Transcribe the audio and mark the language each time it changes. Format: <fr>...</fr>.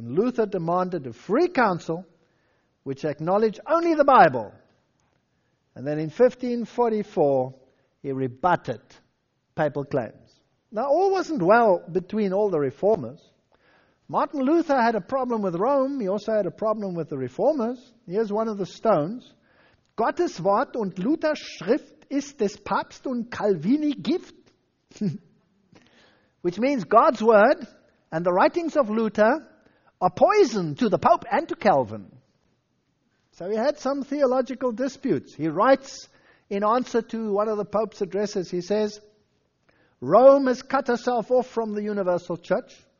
<en>And Luther demanded a free council which acknowledged only the Bible. And then in 1544, he rebutted papal claims. Now, all wasn't well between all the reformers. Martin Luther had a problem with Rome. He also had a problem with the reformers. Here's one of the stones.</en> <de>"Gottes Wort und Luther's Schrift ist des Papst und Calvini Gift."</de> <en>Which means God's word and the writings of Luther are poison to the Pope and to Calvin. So he had some theological disputes. He writes in answer to one of the Pope's addresses, he says, "Rome has cut herself off from the universal church.</en>